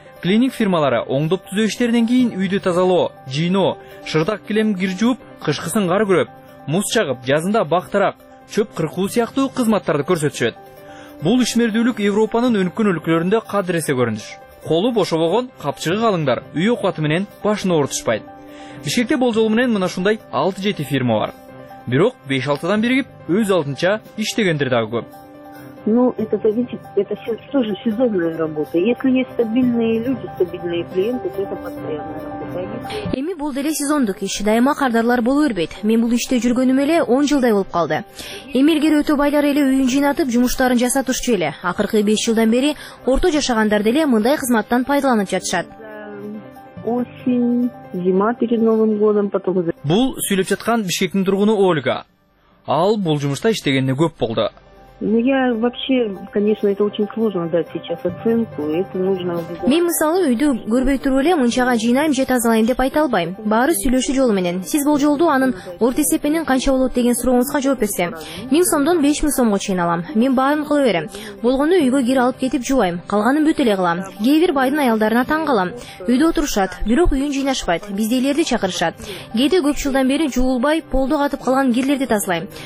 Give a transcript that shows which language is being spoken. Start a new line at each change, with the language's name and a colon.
Kyrgyz: Клининг фирмалары оңдоп түзөө иштеринен кийин үйдү тазалоо, жыйноо, шырдак килем кир жууп, кышкысын кар күрөп, муз чагып, жазында бактарак, чөп кыркуу сыяктуу кызматтарды көрсөтүшөт. Бул ишмердүүлүк Европанын өнүккөн өлкөлөрүндө кадыресе көрүнүш. Колу бошобогон капчыгы калыңдар, үй окубаты менен башын оорутушпайт. Бишкекте болжолу менен мына ушундай 6-7 фирма бар. Бирок 5-6дан биригип өз алдынча иштегендер дагы көп.
Russian: Ну, это зависит, это все тоже сезонная работа. Если есть стабильные люди, стабильные клиенты, то это постоянно.
Kyrgyz: Эми бул деле сезондук иш, дайыма кардарлар боло бербейт. Мен бул иште жүргөнүм эле 10 жылдай болуп калды. Эми илгери өтүп айлар эле үйүн жыйнатып, жумуштарын жасатышчу эле. Акыркы 5 жылдан бери орто жашагандар деле мындай кызматтан пайдаланып жатышат.
Russian: Осень, зима перед Новым годом, потом.
Kyrgyz: Бул сүйлөп жаткан Бишкектин тургуну Ольга. Ал бул жумушта иштегенине көп болду.
Russian: Ну я вообще, конечно, это очень сложно дать сейчас оценку, это нужно.
Kyrgyz: Мен мисалы үйдү көрбөй туруп эле мунчага жыйнайм же тазалайм деп айта албайм. Баары сүйлөшүү жолу менен. Сиз болжолду анын орто эсепенин канча болот деген сурооңузга жооп берсем, 1000 сомдон 5000 сомго чейин алам. Мен баарын кыла берем. Болгону үйгө кир алып кетип жубайм. Калганын бүт эле кылам. Кээ бир байдын аялдарына таң калам. Үйдө отурушат, бирок үйүн жыйнашпайт. Биздейлерди чакырышат. Кээде көп жылдан бери жуулбай, полду катып калган кирлерди тазалайм.